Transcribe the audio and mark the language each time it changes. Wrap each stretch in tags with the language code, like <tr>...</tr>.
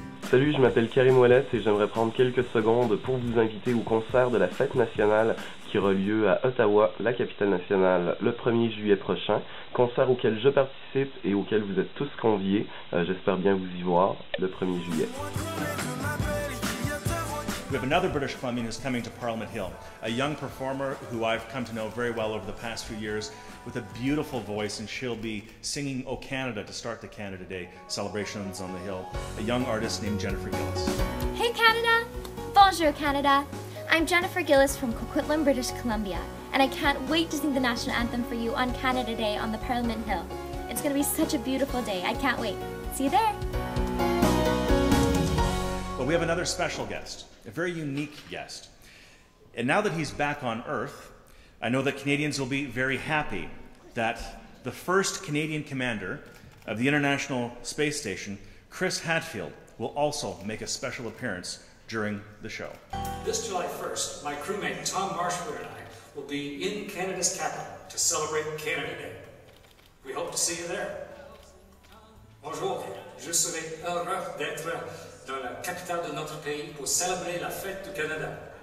<fr>Salut, je m'appelle Karim Ouellet et j'aimerais prendre quelques secondes pour vous inviter au concert de la Fête nationale qui aura lieu à Ottawa, la capitale nationale, le 1er juillet prochain. Concert auquel je participe et auquel vous êtes tous conviés. J'espère bien vous y voir le 1er juillet.</fr> <en>We have another British Columbian who's coming to Parliament Hill, a young performer who I've come to know very well over the past few years with a beautiful voice, and she'll be singing O Canada to start the Canada Day celebrations on the Hill, a young artist named Jennifer Gillis. Hey Canada!</en> <fr>Bonjour Canada!</fr> <en>I'm Jennifer Gillis from Coquitlam, British Columbia, and I can't wait to sing the national anthem for you on Canada Day on the Parliament Hill. It's going to be such a beautiful day. I can't wait. See you there! But we have another special guest, a very unique guest. And now that he's back on Earth, I know that Canadians will be very happy that the first Canadian commander of the International Space Station, Chris Hadfield, will also make a special appearance during the show. This July 1st, my crewmate Tom Marshford and I will be in Canada's capital to celebrate Canada Day. We hope to see you there.</en> <fr>Bonjour, je serai heureux d'être dans la capitale de notre pays pour célébrer la fête du Canada.</fr>